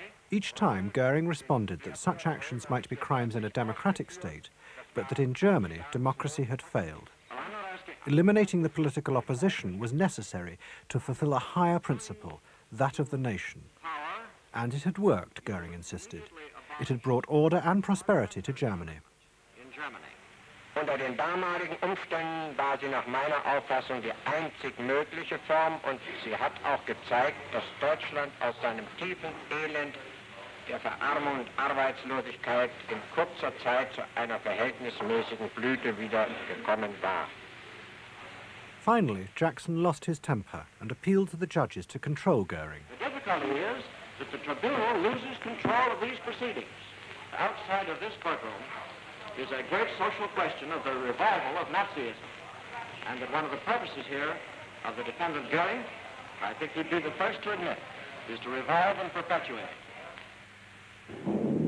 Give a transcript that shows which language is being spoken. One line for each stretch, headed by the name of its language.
English: Each time, Göring responded that such actions might be crimes in a democratic state, but that in Germany, democracy had failed. Eliminating the political opposition was necessary to fulfill a higher principle, that of the nation. And it had worked, Göring insisted. It had brought order and prosperity to Germany.
German: Unter den damaligen Umständen war sie nach meiner Auffassung die einzig mögliche Form und sie hat auch gezeigt, dass Deutschland aus seinem tiefen Elend der Verarmung und Arbeitslosigkeit in kurzer Zeit zu einer verhältnismäßigen Blüte wieder gekommen war.
English: Finally, Jackson lost his temper and appealed to the judges to control Göring. The difficulty is that the tribunal loses control of these proceedings. Outside of this courtroom is a great social question of the revival of Nazism, and that one of the purposes here of the defendant Göring, I think he'd be the first to admit, is to revive and perpetuate.